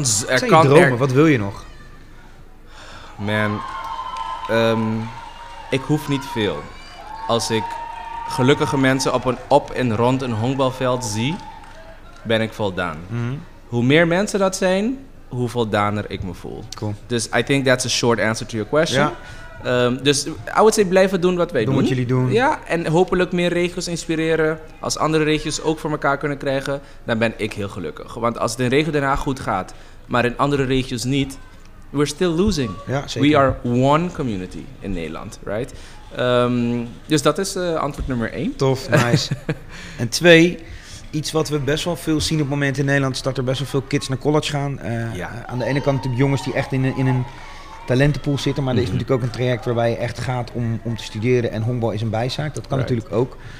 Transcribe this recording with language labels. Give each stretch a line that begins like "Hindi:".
Dutch: Er zijn je dromen? Wat wil je nog? Man. Ik hoef niet veel. Als ik gelukkige mensen op en rond een honkbalveld zie, ben ik voldaan. Mm-hmm. Hoe meer mensen dat zijn, hoe voldaner ik me voel. Cool. Dus
English: I think that's a short answer to your question.
Dutch: Ja. Dus
English: I would say
Dutch: blijven doen wat wij doen. Doen wat jullie doen. Ja, en hopelijk meer regio's inspireren. Als andere regio's ook voor elkaar kunnen krijgen, dan ben ik heel gelukkig. Want als het in regio daarna goed gaat, maar in andere regio's niet,
English: we're still losing.
Dutch: Ja, zeker.
English: We are one community in Nederland, right?
Dutch: Dus dat is antwoord nummer 1. Tof, nice. En 2... Iets wat we best wel veel zien op het moment in Nederland is dat er best wel veel kids naar college gaan. Aan de ene kant natuurlijk jongens die echt in een talentenpool zitten. Maar mm-hmm. er is natuurlijk ook een traject waarbij je echt gaat om te studeren. En honkbal is een bijzaak. Dat kan right. natuurlijk ook.